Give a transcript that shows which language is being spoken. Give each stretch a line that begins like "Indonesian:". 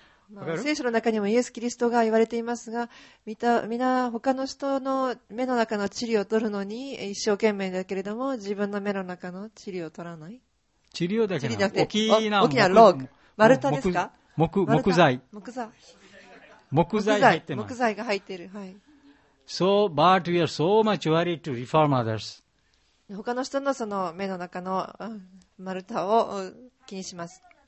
Japanese: まあ、聖書の中にもイエス・キリストが言われていますが、皆他の人の目の中の塵を取るのに一生懸命だけれども、自分の目の中の塵を取らない。塵をだけじゃなくて、大きなログ、丸太ですか？木材。木材が入っている。はい。
English: So, but we are so much worried to reform others.
Japanese: 他の人のその目の中の丸太を気にします。